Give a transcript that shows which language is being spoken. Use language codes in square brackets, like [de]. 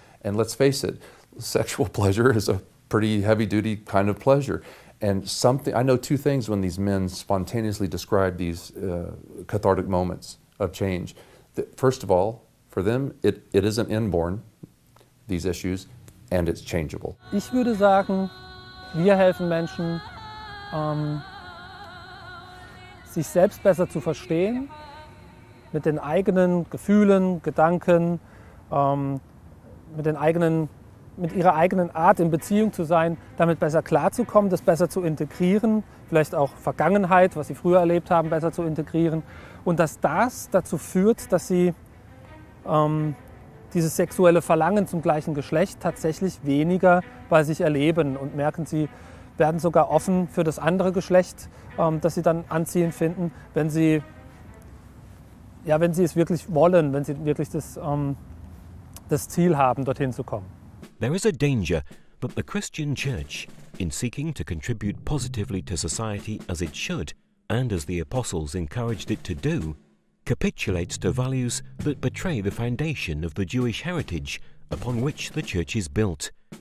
[en] And let's face it, sexual pleasure is a pretty heavy duty kind of pleasure. And something, I know two things when these men spontaneously describe these cathartic moments of change. First of all, for them, it isn't inborn, these issues, and it's changeable. [de] Ich würde sagen, wir helfen Menschen, sich selbst besser zu verstehen, mit den eigenen Gefühlen, Gedanken, mit ihrer eigenen Art in Beziehung zu sein, damit besser klarzukommen, das besser zu integrieren, vielleicht auch Vergangenheit, was sie früher erlebt haben, besser zu integrieren. Und dass das dazu führt, dass sie dieses sexuelle Verlangen zum gleichen Geschlecht tatsächlich weniger bei sich erleben und merken, sie werden sogar offen für das andere Geschlecht, das sie dann anziehend finden, wenn sie es wirklich wollen, wenn sie wirklich das Ziel haben, dorthin zu kommen. [en] There is a danger that the Christian Church, in seeking to contribute positively to society as it should, and as the apostles encouraged it to do, capitulates to values that betray the foundation of the Jewish heritage upon which the Church is built.